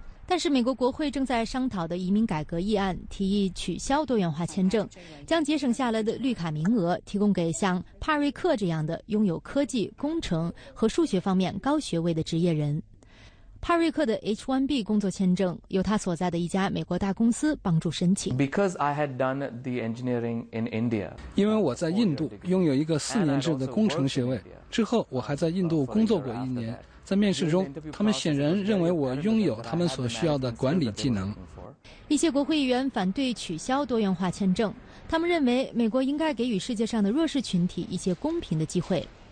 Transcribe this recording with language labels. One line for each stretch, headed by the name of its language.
Chinese: 但是美国国会正在商讨的移民改革议案提议取消多元化签证，将节省下来的绿卡名额提供给像帕瑞克这样的拥有科技、工程和数学方面高学位的职业人。帕瑞克的 H-1B 工作签证由他所在的一家美国大公司帮助申请。
English: Because I had done the engineering in India，
Chinese: 因为我在印度拥有一个4年制的工程学位，之后我还在印度工作过一年。在面试中，他们显然认为我拥有他们所需要的管理技能。一些国会议员反对取消多元化签证，他们认为美国应该给予世界上的弱势群体一些公平的机会。